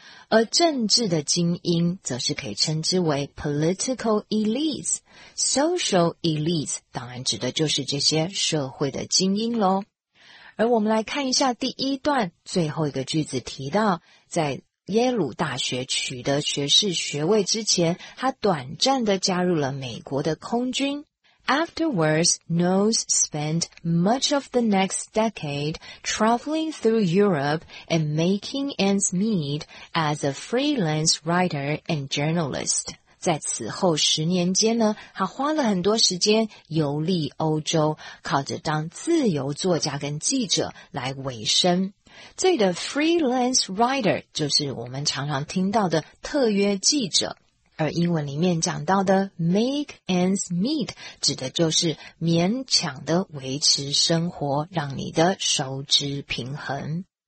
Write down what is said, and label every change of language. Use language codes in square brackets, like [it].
[zh] 而政治的精英则是可以称之为 [en] political elites, social elites [zh] 当然指的就是这些社会的精英咯。而我们来看一下第一段最后一个句子提到，在耶鲁大学取得学士学位之前，他短暂地加入了美国的空军。 [en] Afterwards, Knowles spent much of the next decade traveling through Europe and making ends meet as a freelance writer and journalist. [zh] 在此后十年间呢，他花了很多时间游历欧洲，靠着当自由作家跟记者来维生。这里的 freelance writer 就是我们常常听到的特约记者。而英文里面讲到的 [en] make ends meet [zh] 指的就是勉强的维持生活，让你的收支平衡。